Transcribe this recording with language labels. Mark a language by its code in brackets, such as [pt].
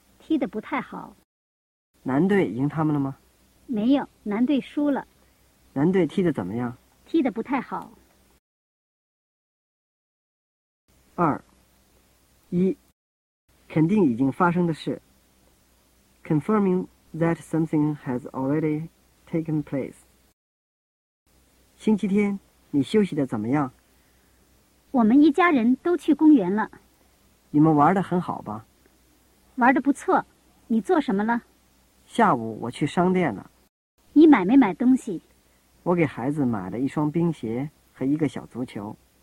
[zh] 踢得不太好。男队赢他们了吗？没有，男队输了。男队踢得怎么样？踢得不太好。二，一，肯定已经发生的事。 [en] Confirming that something has already taken place. [zh] 星期天，你休息得怎么样？我们一家人都去公园了。你们玩得很好吧？玩得不错。你做什么了？下午我去商店了。你买没买东西？我给孩子买了一双冰鞋和一个小足球。